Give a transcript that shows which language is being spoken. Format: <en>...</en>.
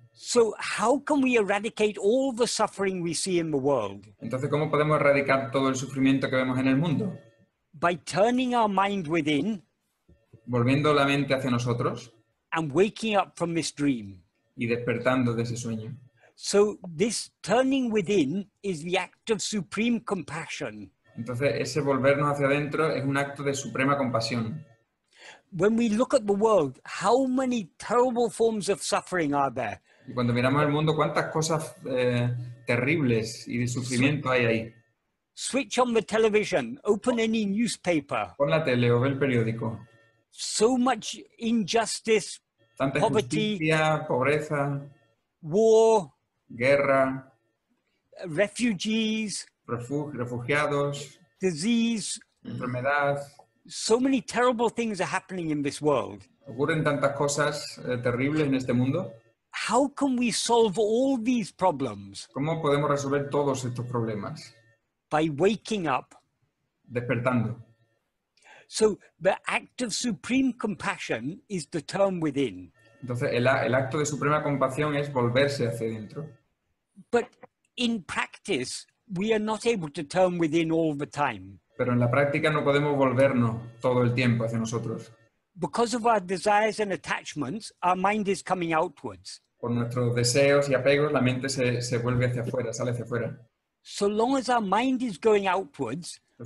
<en>So how can we eradicate all the suffering we see in the world?</en> <es>Entonces, ¿cómo podemos erradicar todo el sufrimiento que vemos en el mundo?</es> <en>By turning our mind within.</en> <es>Volviendo la mente hacia nosotros.</es> <en>And waking up from this dream.</en> <es>Y despertando de ese sueño.</es> <en>So this turning within is the act of supreme compassion.</en> <es>Entonces, ese volvernos hacia adentro es un acto de suprema compasión.</es> <en>When we look at the world, how many terrible forms of suffering are there?</en> <es>Y cuando miramos el mundo, ¿cuántas cosas terribles y de sufrimiento hay ahí?</es> <en>Switch on the television, open any newspaper.</en> <es>Pon la tele o ve el periódico.</es> <en>So much injustice,</en> <es>tanta</es> <en>poverty,</en> <es>justicia, pobreza,</es> <en>war,</en> <es>guerra,</es> <en>refugees,</en> <es>refugiados,</es> <en>disease,</en> <es>enfermedad.</es> <en>So many terrible things are happening in this world.</en> <es>Ocurren tantas cosas terribles en este mundo.</es> <en>How can we solve all these problems?</en> <es>¿Cómo podemos resolver todos estos problemas?</es> <en>By waking up.</en> <es>Despertando.</es> <en>So the act of supreme compassion is the turn within.</en> <es>Entonces el acto de suprema compasión es volverse hacia dentro.</es> <en>But in practice, we are not able to turn within all the time.</en> <es>Pero en la práctica no podemos volvernos todo el tiempo hacia nosotros.</es> <en>Because of our desires and attachments, our mind is coming outwards.</en> <es>Por nuestros deseos y apegos, la mente se vuelve hacia afuera, sale hacia afuera.</es> <en>So long as our mind is going outwards,</en>